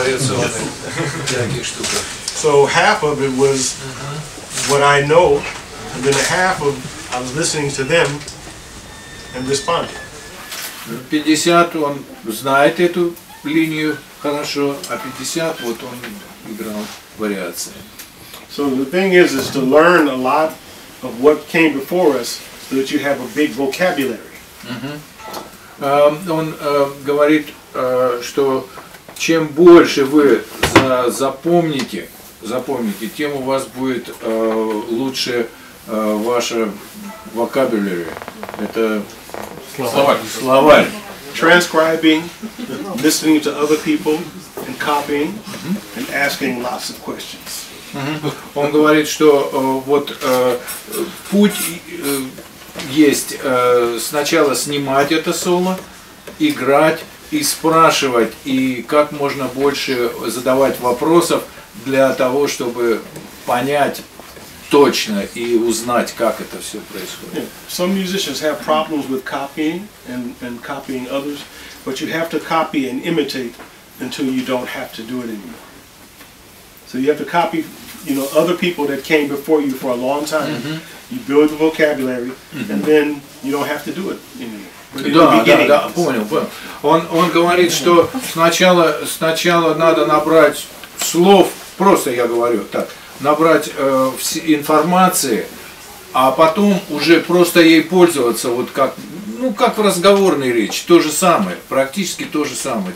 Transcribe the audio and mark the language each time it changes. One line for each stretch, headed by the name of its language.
English: So half of it was what I know, and then half of I was listening to them and responding.
Russian: 50 он знает эту линию хорошо, а 50 вот он играл вариации.
English: So the thing is to learn a lot of what came before us so that you have a big vocabulary.
Russian: Он говорит, что чем больше вы запомните, тем у вас будет лучше ваше vocabulary. Это словарь.
English: Transcribing, listening to other people, and copying, and asking lots of questions.
Russian: Он говорит, что вот путь есть сначала снимать это соло, играть и спрашивать, и как можно больше задавать вопросов для того, чтобы понять точно и узнать, как это все происходит.
English: Yeah. Some musicians have problems with copying and copying others, but you have to copy and imitate until you don't have to do it anymore. So you have to copy, you know, other people that came before you for a long time. Mm-hmm. You build the vocabulary, mm-hmm. and then you don't have to do it anymore.
Russian: Да, понял. Он говорит, что сначала надо набрать слов, просто я говорю так, набрать информации, а потом уже просто ей пользоваться, вот как, ну, как в разговорной речи, то же самое, практически то же самое.